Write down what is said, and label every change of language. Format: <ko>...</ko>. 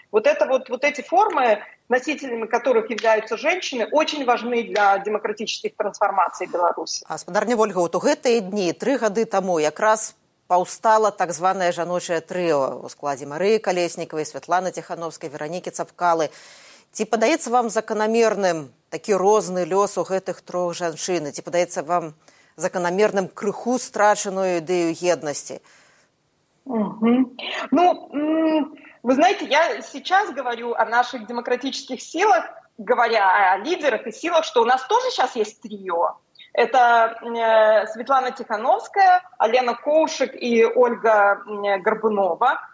<ru>Вот это вот, вот эти формы, носителями которых являются женщины, очень важны для демократических трансформаций Беларуси.</ru> <be>Господарня Вольга, вот у гэтые дни, 3 года тому, как раз паўстала так званое жаночае трио у складе Марии Колесниковой, Светланы Тихановской, Вероники Цапкалы. Ці падаецца вам заканамерным такі розны лёс у гэтых трох жанчын? Ці падаецца вам заканамерным крыху страчаную ідэю еднасці?</be> <ru>Ну, вы знаете, я сейчас говорю о наших демократических силах, говоря о лидерах и силах, что у нас тоже сейчас есть трио. Это Светлана Тихановская, Алена Коушек и Ольга Горбунова.</ru>